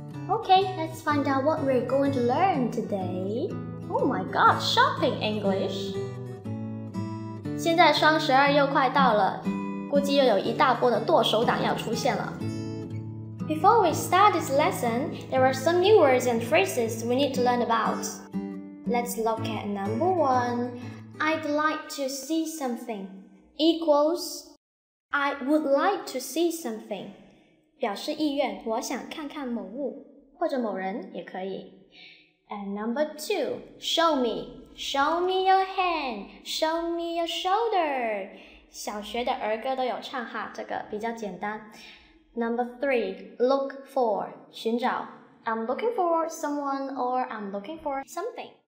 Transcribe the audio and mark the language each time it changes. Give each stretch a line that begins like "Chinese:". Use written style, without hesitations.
English: Okay, let's find out what we're going to learn today. Oh my God, shopping English.
Chinese: 现在双十二又快到了，估计又有一大波的剁手党要出现了。
English: Before we start this lesson, there are some new words and phrases we need to learn about. Let's look at number one. I'd like to see something. Equals, I would like to see something.
Chinese: 表示意愿，我想看看某物。或者某人也可以。
English: And number two, show me. Show me your hand. Show me your shoulder.
Chinese: 小学的儿歌都有唱哈，这个比较简单。
English: Number three, look for.
Chinese: 寻找。
English: I'm looking for someone or I'm looking for something.